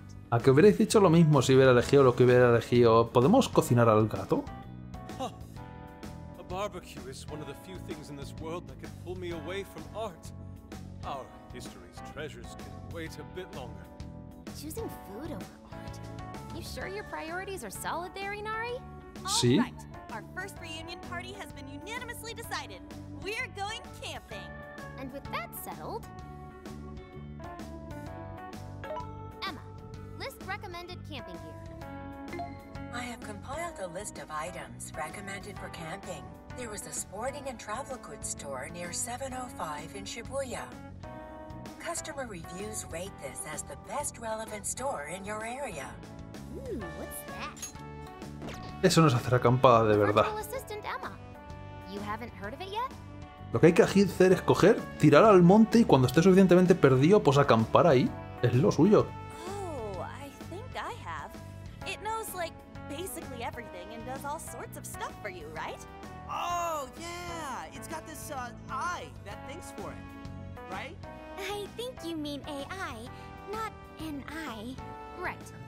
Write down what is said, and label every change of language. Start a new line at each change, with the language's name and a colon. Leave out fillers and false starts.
Spanish: A que hubierais dicho lo mismo si hubiera elegido lo que hubiera elegido. ¿Podemos cocinar al gato?
English: A barbecue is one of the few things in this world that can pull me away from art. Our history's treasures can wait a bit longer. Choosing food over art. You sure your priorities are solid there, Inari?
Spanish: Sí.
English: All right. Our first reunion party has been unanimously decided. We're going camping. And with that settled... Emma, list recommended camping gear. I have compiled a list of items recommended for camping. There was a sporting and travel goods store near 705 in Shibuya. Customer reviews rate this as the best relevant store in your area. What's that?
Spanish: Eso no es hacer acampada de verdad.
English: Virtual assistant Emma. You haven't heard of it yet?
Spanish: Lo que hay que hacer es coger, tirar al monte y cuando esté suficientemente perdido, pues acampar ahí. Es lo suyo.
English: Oh, I think I have. It knows, like, basically everything and does all sorts of stuff for you, right? Oh, yeah. It's got this, eye that thinks for it. Right? I think you mean AI, not an eye. Right.